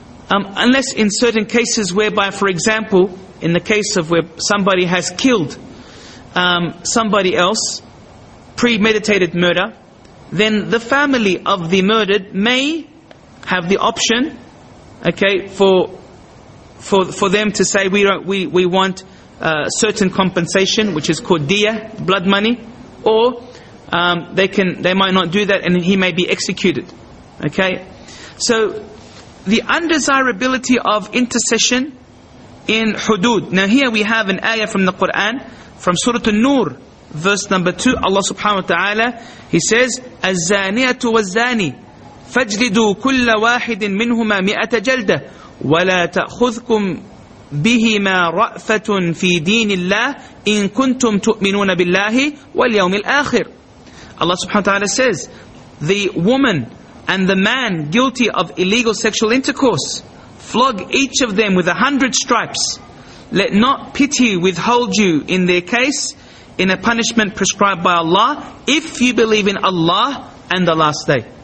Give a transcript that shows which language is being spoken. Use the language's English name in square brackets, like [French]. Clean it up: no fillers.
[English] Unless in certain cases whereby, for example, in the case of where somebody has killed somebody else, premeditated murder, then the family of the murdered may have the option, okay, for them to say we want certain compensation, which is called diya, blood money, or they might not do that and he may be executed. Okay, so the undesirability of intercession in hudud. Now here we have an ayah from the Quran, from Surah An-Nur, verse number 2. Allah subhanahu wa ta'ala, he says, [Arabic] الزانيه والزاني فاجلدوا كل واحد منهما مئه جلده ولا تاخذكم بهما رافه في دين الله ان كنتم تؤمنون بالله واليوم الاخر. [English] Allah subhanahu wa ta'ala says, the woman and the man guilty of illegal sexual intercourse, flog each of them with 100 stripes. Let not pity withhold you in their case, in a punishment prescribed by Allah, if you believe in Allah and the last day.